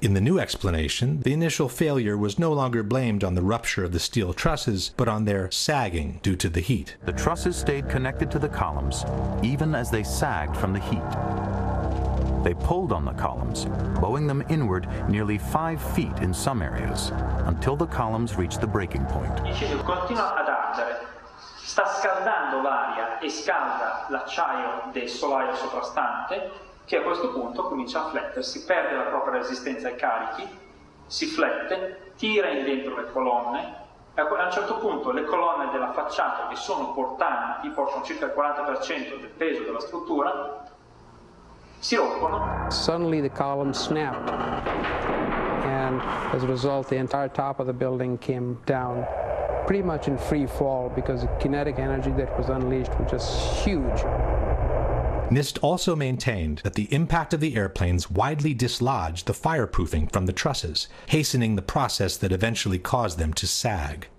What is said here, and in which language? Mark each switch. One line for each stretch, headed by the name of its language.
English: In the new explanation, the initial failure was no longer blamed on the rupture of the steel trusses, but on their sagging due to the heat. The trusses stayed connected to the columns even as they sagged from the heat. They pulled on the columns, bowing them inward nearly 5 feet in some areas, until the columns reached the breaking point.
Italian: Continua ad ardere. Sta scaldando l'aria e scalda l'acciaio del solaio soprastante, che a questo punto comincia a flettersi, perde la propria resistenza ai carichi, si flette, tira in dentro le colonne, e a un certo punto le colonne della facciata, che sono portanti, portano circa il 40% del peso della struttura, si rompono.
English: Suddenly the column snapped, and as a result the entire top of the building came down pretty much in free fall because the kinetic energy that was unleashed was just huge. NIST also maintained that the impact of the airplanes widely dislodged the fireproofing from the trusses, hastening the process that eventually caused them to sag.